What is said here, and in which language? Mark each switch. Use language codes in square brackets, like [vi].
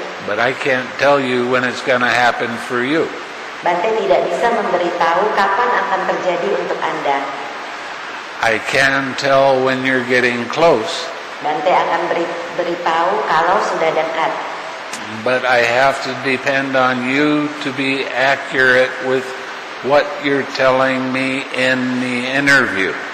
[en] But I can't tell you when it's going to happen for you. [id] Bante tidak bisa memberitahu kapan akan terjadi untuk Anda. [en] I can tell when you're getting close. [id] Bante akan beritahu kalau sudah dekat. [en] But I have to depend on you to be accurate with what you're telling me in the interview.